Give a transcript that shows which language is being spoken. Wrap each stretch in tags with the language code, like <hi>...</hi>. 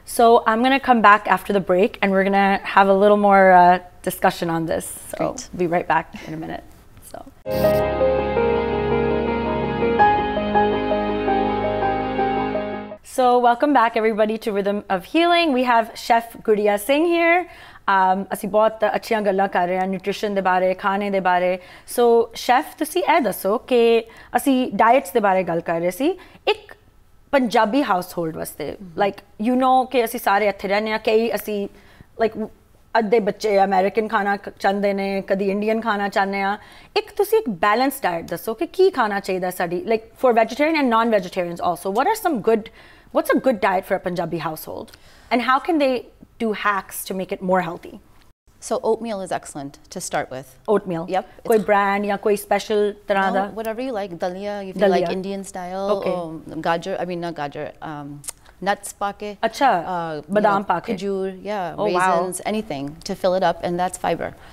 <en>So I'm going to come back after the break and we're going to have a little more discussion on this. So Great. Be right back in a minute. So. So welcome back everybody to Rhythm of Healing. We have Chef Guddia Singh here.</en> <pa>ਅਸੀਂ ਬਹੁਤ ਅੱਛੀਆਂ ਗੱਲਾਂ ਕਰ ਰਹੇ ਹਾਂ nutrition ਦੇ ਬਾਰੇ ਖਾਣੇ ਦੇ ਬਾਰੇ ਸੋ ਸ਼ੈਫ ਤੁਸੀਂ ਇਹ ਦੱਸੋ ਕਿ ਅਸੀਂ ਡਾਇਟਸ ਦੇ ਬਾਰੇ ਗੱਲ ਕਰ ਰਹੇ ਸੀ ਇੱਕ ਪੰਜਾਬੀ ਹਾਊਸ ਹੋਲਡ ਵਾਸਤੇ</pa> <en>like you know</en> <pa>ਕਿ ਅਸੀਂ ਸਾਰੇ ਇੱਥੇ ਰਹਿੰਦੇ ਹਾਂ ਕਈ ਅਸੀਂ</pa> <en>like</en> <pa>ਅੱਧੇ ਬੱਚੇ ਅਮੈਰੀਕਨ ਖਾਣਾ ਚਾਹੁੰਦੇ ਨੇ ਕਦੀ ਇੰਡੀਅਨ ਖਾਣਾ ਚਾਹੁੰਦੇ ਹਾਂ ਇੱਕ ਤੁਸੀਂ ਇੱਕ ਬੈਲੈਂਸ ਡਾਇਟ ਦੱਸੋ ਕਿ ਕੀ ਖਾਣਾ ਚਾਹੀਦਾ ਸਾਡੀ</pa> <en>Like for vegetarian and non vegetarians also what are some good what's a good diet for a Punjabi household and how can they do hacks to make it more healthy So oatmeal is excellent to start with. Oatmeal? Yep.</en> <pa>Koi brand ya koi special tarah da?</pa> <en>No, whatever you like. Dalia, if you like Indian style. Okay. Gajar, I mean not gajar, nuts paake.</en> <pa>Achha, badam paake.</pa> <en>Khajur, yeah, oh, raisins, wow. anything to fill it up and that's fiber.</en>